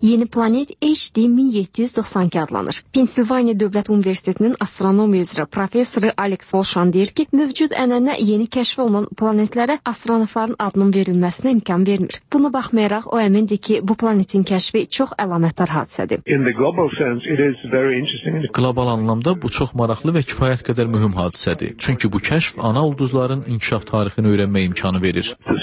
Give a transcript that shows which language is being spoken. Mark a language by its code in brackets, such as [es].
[az] Yeni planet HD-1792 adlanır. Pensilvaniya Dövlət Universitetinin astronomiya üzrə professoru Alex Polşan deyir ki, mövcud ənənə yeni kəşf olunan planetlərə astronavtların adının verilməsinə imkan vermir. Buna baxmayaraq, o əmindir ki, bu planetin kəşfi çox əlamətdar hadisədir. [en] In the global sense, it is very interesting. [az] Qlobal anlamda bu çox maraqlı və kifayət qədər mühüm hadisədir. Çünki bu kəşf ana ulduzların inkişaf tarixini öyrənmək imkanı verir.